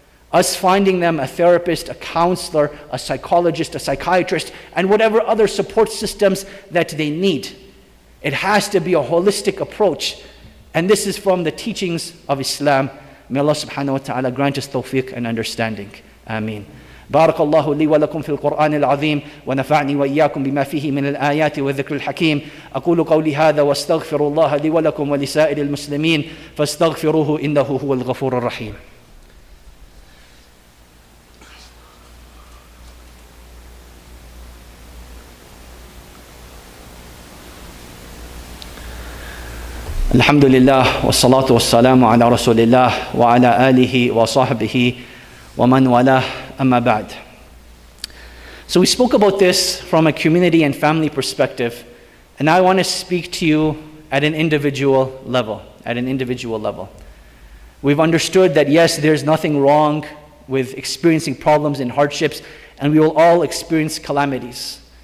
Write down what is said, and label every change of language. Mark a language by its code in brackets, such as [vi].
[en] Us finding them a therapist, a counselor, a psychologist, a psychiatrist, and whatever other support systems that they need. It has to be a holistic approach. And this is from the teachings of Islam. May Allah subhanahu wa ta'ala grant us tawfiq and understanding. Ameen. [ar] بارك الله لي ولكم في القرآن العظيم ونفعني وإياكم بما فيه من الآيات والذكر الحكيم أقول قولي هذا واستغفر الله لي ولكم ولسائر المسلمين فاستغفروه إنه هو الغفور الرحيم. الحمد لله والصلاة والسلام على رسول الله وعلى آله وصحبه ومن والاه أما بعد. [en] So we spoke about this from a community and family perspective, and I want to speak to you at an individual level. At an individual level, we've understood that yes, there's nothing wrong with experiencing problems and hardships, and we will all experience calamities.